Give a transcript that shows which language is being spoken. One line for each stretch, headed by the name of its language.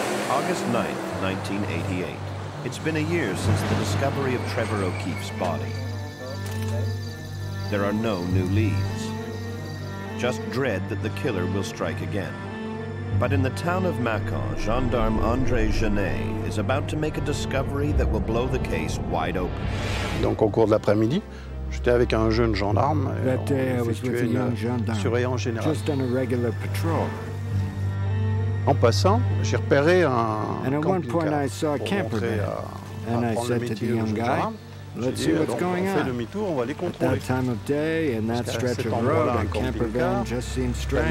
English: August 9th, 1988. It's been a year since the discovery of Trevor O'Keefe's body. There are no new leads. Just dread that the killer will strike again. But in the town of Macon, gendarme André Genet is about to make a discovery that will blow the case wide open.
French: Donc au cours de l'après-midi, j'étais avec un jeune gendarme.
English: That day I was with a young gendarme,
French: surveillant général.
English: Just on a regular patrol.
French: En passant, j'ai repéré un camping-car.
English: And at one point I saw a camper there. And I said to the young guy, let's see what's going on. At that time of day, and that stretch of road, a camper van just seemed strange.